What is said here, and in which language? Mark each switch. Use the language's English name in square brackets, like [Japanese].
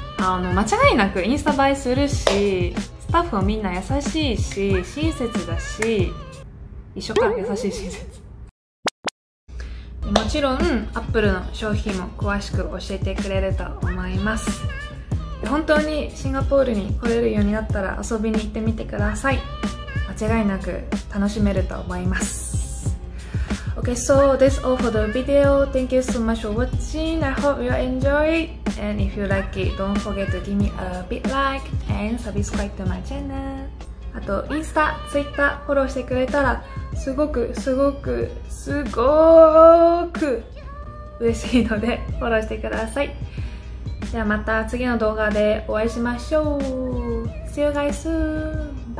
[Japanese] あの、間違いなくインスタ映えするし、スタッフもみんな優しいし親切だし、一緒か、優しい親切もちろんアップルの商品も詳しく教えてくれると思います。本当にシンガポールに来れるようになったら遊びに行ってみてください、間違いなく楽しめると思います。 [English] Okay, so that's all for the video. Thank you so much for watching. I hope you enjoy it. And if you like it, don't forget to give me a big like and subscribe to my channel. [Japanese] あと、インスタ、ツイッターフォローしてくれたら、すごく、すごく、すごーく嬉しいので、フォローしてください。じゃあまた次の動画でお会いしましょう。 [English] See you guys soon!